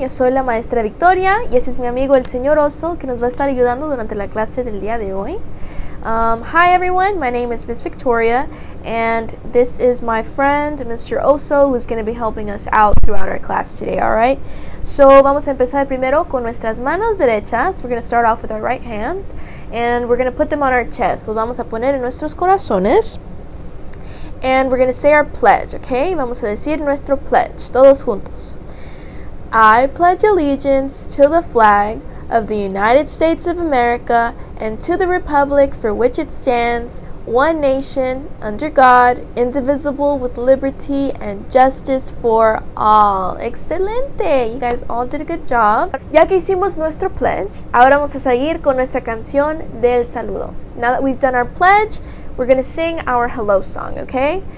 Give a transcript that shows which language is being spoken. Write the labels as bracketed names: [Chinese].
[Spanish] Yo soy la maestra Victoria y este es mi amigo el señor Oso, que nos va a estar ayudando durante la clase del día de hoy. [English] Hi everyone, my name is Miss Victoria and this is my friend Mr. Oso, who's going to be helping us out throughout our class today, all right? [Spanish] So vamos a empezar primero con nuestras manos derechas. [English] We're going to start off with our right hands and we're going to put them on our chest. [Spanish] Los vamos a poner en nuestros corazones. [English] And we're going to say our pledge, okay? [Spanish] Vamos a decir nuestro pledge, todos juntos. [English] I pledge allegiance to the flag of the United States of America and to the republic for which it stands, one nation, under God, indivisible, with liberty and justice for all. [Spanish] ¡Excelente! [English] You guys all did a good job. [Spanish] Ya que hicimos nuestro pledge, ahora vamos a seguir con nuestra canción del saludo. [English] Now that we've done our pledge, we're gonna sing our hello song, okay?